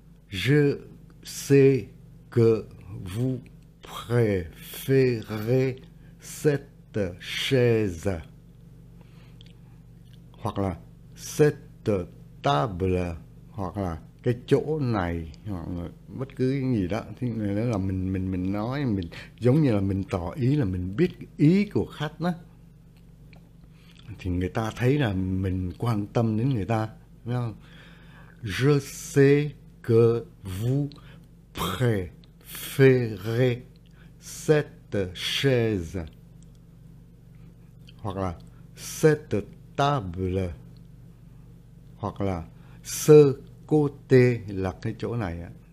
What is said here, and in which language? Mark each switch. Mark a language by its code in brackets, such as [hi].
[fr] Je sais que vous préférez cette chaise. [vi] Hoặc là [fr] cette table, [vi] hoặc là cái chỗ này, hoặc là bất cứ cái gì đó. Thế này nó là mình nói, mình giống như là mình tỏ ý là mình biết ý của khách đó, thì người ta thấy là mình quan tâm đến người ta, đúng không? [fr] Je sais que vous préférez cette chaise, [vi] hoặc là [fr] cette table, hoặc là ce côté, [vi] là cái chỗ này ạ.